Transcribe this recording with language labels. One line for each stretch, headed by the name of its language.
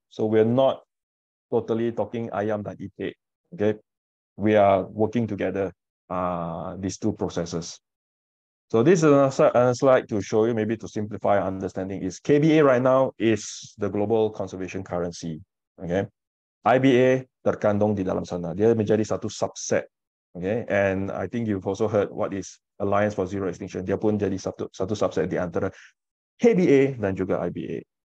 English: So we're not totally talking
Malay: ayam dan ite,
English: okay? We are working together, these two processes. So this is another slide to show you, maybe to simplify understanding, is KBA right now is the global conservation currency, okay?
Malay: IBA terkandung di dalam sana. Dia menjadi satu subset, okay?
English: And I think you've also heard what is Alliance for Zero Extinction.
Malay: Dia pun jadi satu subset di antara KBA dan juga IBA.